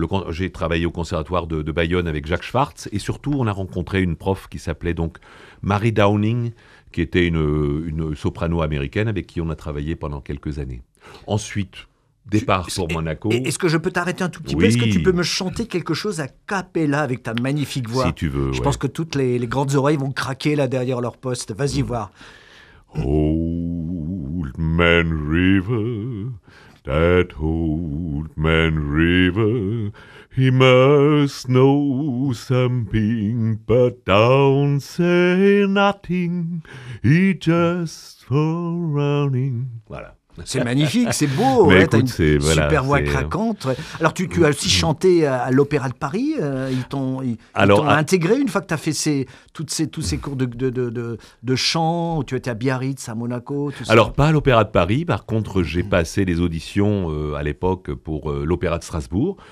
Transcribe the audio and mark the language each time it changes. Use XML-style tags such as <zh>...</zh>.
<fr>j'ai travaillé au conservatoire de Bayonne avec Jacques Schwartz. Et surtout, on a rencontré une prof qui s'appelait donc Marie Downing, qui était une soprano américaine avec qui on a travaillé pendant quelques années. Ensuite... Départ pour Monaco. Est-ce que je peux t'arrêter un tout petit peu? Est-ce que tu peux me chanter quelque chose à cappella avec ta magnifique voix? Si tu veux. Je pense que toutes les grandes oreilles vont craquer là derrière leur poste. Vas-y voir.</fr> <en>Old Man River, that old man river, he must know something, but don't say nothing, he just for running.</en> <fr>Voilà. C'est magnifique, c'est beau, ouais, écoute, t'as une c'est, voilà, super voix c'est... craquante. Alors tu as aussi chanté à l'Opéra de Paris, ils t'ont intégré une fois que t'as fait tous ces cours de chant, où tu étais à Biarritz, à Monaco, tout ça. Alors pas à l'Opéra de Paris, par contre j'ai passé les auditions à l'époque pour l'Opéra de Strasbourg.</fr>